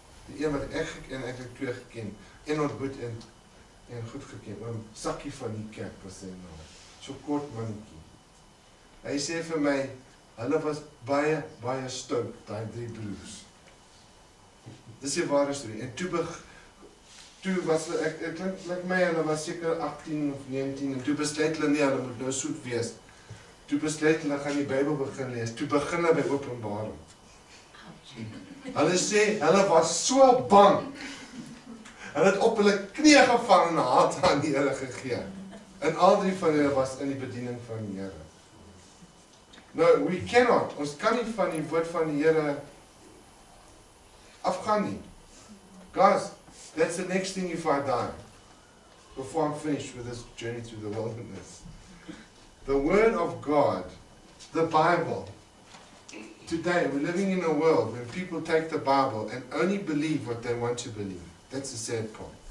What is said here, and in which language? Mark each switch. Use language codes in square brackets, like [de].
[af] Die een wat ek geken, eintlik twee geken. Een ontmoet en goed geken. Oom Sakkie van die kerk was sy naam. So kort mannetjie. Hy sê vir my, hulle was baie, baie stout, die drie broers. Dis die ware story. En toe was hulle, ek klink like my, hulle was seker 18 of 19, en toe besluit hulle nie, hulle moet nou soet wees. Toe besluit hulle gaan die Bybel begin lees, toe begin hulle by Openbaring. Hulle sê, hulle was so bang, hulle het op hulle knie gevang en haat aan die Here gegee. En al drie van hulle was in die bediening van die Here. Nou, [en] we cannot, [af] ons kan nie van die woord van die Here afgaan nie. [en] Guys, that's the next thing if I die, before I'm finished with this journey through the wilderness. The Word of God, the Bible. Today, we're living in a world where people take the Bible and only believe what they want to believe. That's the sad part.